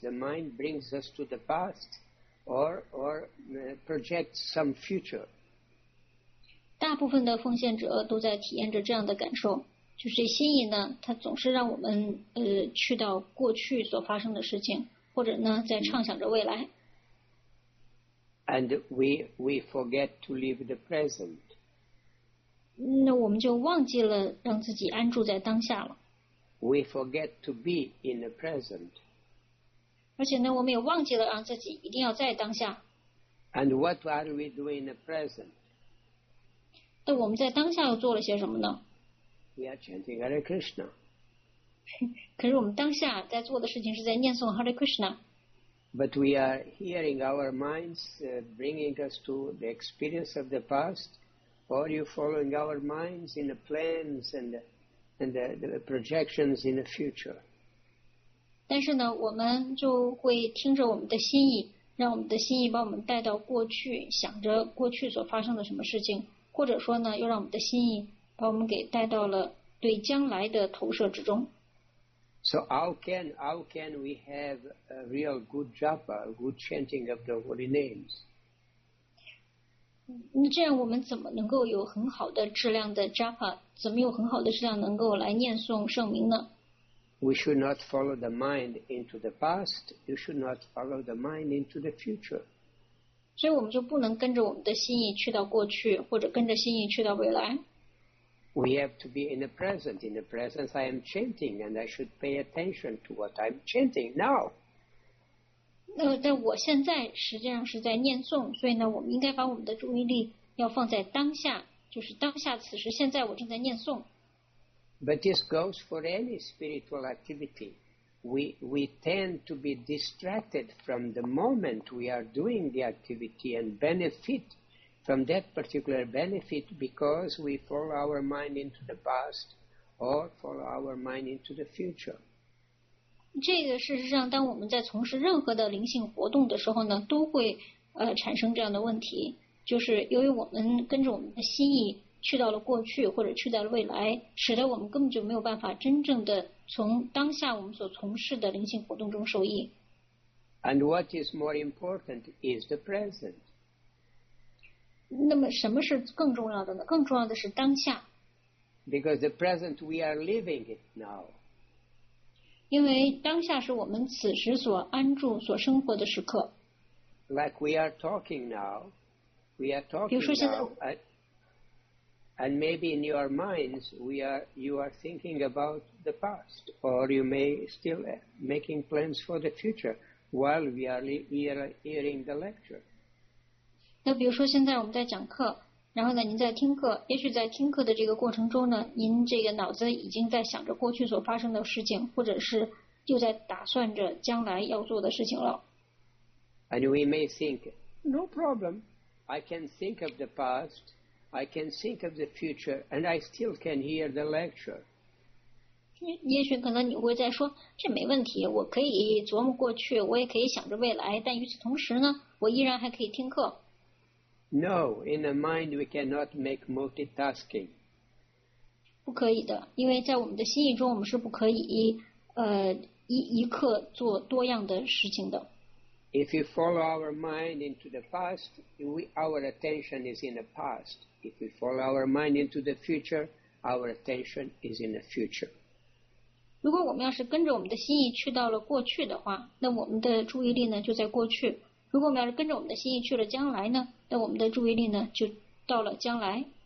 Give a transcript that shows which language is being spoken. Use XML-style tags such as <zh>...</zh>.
<en>The mind brings us to the past or projects some future.</en> <zh>大部分的奉献者都在体验着这样的感受。就是心意呢，它总是让我们去到过去所发生的事情，或者呢在畅想着未来。</zh> <en>And we forget to live the present.</en> <zh>那我们就忘记了让自己安住在当下了。</zh> <en>We forget to be in the present.</en> <zh>而且呢，我们也忘记了让自己一定要在当下。</zh> <en>And what are we doing in the present?</en> <zh>那我们在当下又做了些什么呢？</zh> <en>We are chanting Hare Krishna.</en> <zh>可是我们当下在做的事情是在念诵 Hare Krishna.</zh> <en>But we are hearing our minds bringing us to the experience of the past, or you following our minds in the plans and the projections in the future.</en> <zh>但是呢，我们就会听着我们的心意，让我们的心意把我们带到过去，想着过去所发生的什么事情，或者说呢，又让我们的心意。把我们给带到了对将来的投射之中。</zh> <en>So how can we have a real good japa, a good chanting of the holy names?</en> <zh>那这样我们怎么能够有很好的质量的 japa, 怎么有很好的质量能够来念诵圣名呢？</zh> <en>We should not follow the mind into the past, you should not follow the mind into the future.</en> <zh>所以我们就不能跟着我们的心意去到过去，或者跟着心意去到未来。</zh> <en>We have to be in the present. In the present, I am chanting, and I should pay attention to what I'm chanting now.</en> <zh>但我现在实际上是在念诵，所以呢，我们应该把我们的注意力要放在当下，就是当下此时现在我正在念诵。</zh> <en>But this goes for any spiritual activity. We tend to be distracted from the moment we are doing the activity and benefit. From that particular benefit, because we follow our mind into the past or follow our mind into the future.</en> <zh>这个事实上，当我们在从事任何的灵性活动的时候呢，都会产生这样的问题，就是由于我们跟着我们的心意去到了过去或者去到了未来，使得我们根本就没有办法真正的从当下我们所从事的灵性活动中受益。</zh> <en>And what is more important is the present.</en> <zh>那么什么是更重要的呢？更重要的是当下。</zh> <en>Because the present we are living it now.</en> <zh>因为当下是我们此时所安住所生活的时刻。</zh> <en>Like we are talking now, we are talking now. And maybe in your minds you are thinking about the past, or you may still making plans for the future while we are hearing the lecture.</en> <zh>那比如说现在我们在讲课，然后呢您在听课，也许在听课的这个过程中呢，您这个脑子已经在想着过去所发生的事情，或者是又在打算着将来要做的事情了。</zh> <en>And we may think, no problem, I can think of the past, I can think of the future, and I still can hear the lecture.</en> <zh>也许可能你会在说，这没问题，我可以琢磨过去，我也可以想着未来，但与此同时呢，我依然还可以听课。</zh> <en>No, in the mind we cannot make multitasking.</en> <zh>不可以的，因为在我们的心意中，我们是不可以一刻做多样的事情的。</zh> <en>If you follow our mind into the past, our attention is in the past. If we follow our mind into the future, our attention is in the future.</en> <zh>如果我们要是跟着我们的心意去到了过去的话，那我们的注意力呢就在过去。如果我们要是跟着我们的心意去了将来呢，那我们的注意力呢就到了将来。</zh>